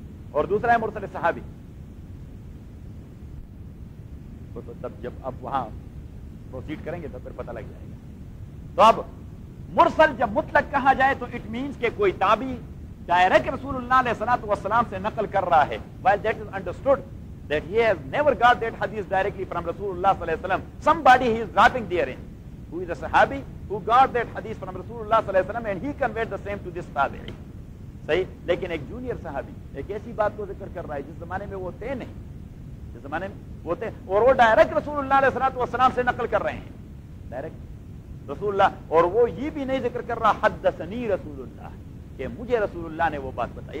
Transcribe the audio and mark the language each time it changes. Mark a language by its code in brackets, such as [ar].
[ur] اور دوسرا ہے مرسل صحابی. تو تب جب آپ وہاں پروسیڈ کریں گے تو پھر پتہ لگ جائے گا. تو اب مرسل جب مطلق کہا جائے تو اٹ مینس کہ کوئی تابعی ڈائریکٹ رسول اللہ علیہ الصلوۃ والسلام سے نقل کر رہا ہے. [en] While that is understood that he has never got that hadith directly from Rasulullah صلی اللہ علیہ وسلم, somebody he is dropping therein who is a sahabi who got that hadith from Rasulullah صلی اللہ علیہ وسلم and he conveyed the same to this tabi, صحیح. [ur] لیکن ایک junior صحابی ایک ایسی بات کو ذکر کر رہا ہے جس زمانے میں وہ تھے نہیں, جس زمانے میں وہ تھے, اور وہ ڈائریکٹ رسول اللہ علیہ الصلوۃ والسلام سے نقل کر رہے ہیں, ڈائریکٹ رسول اللہ, اور وہ یہ بھی نہیں ذکر کر رہا [ar] حدثنی رسول اللہ [ur] کہ مجھے رسول اللہ نے وہ بات بتائی.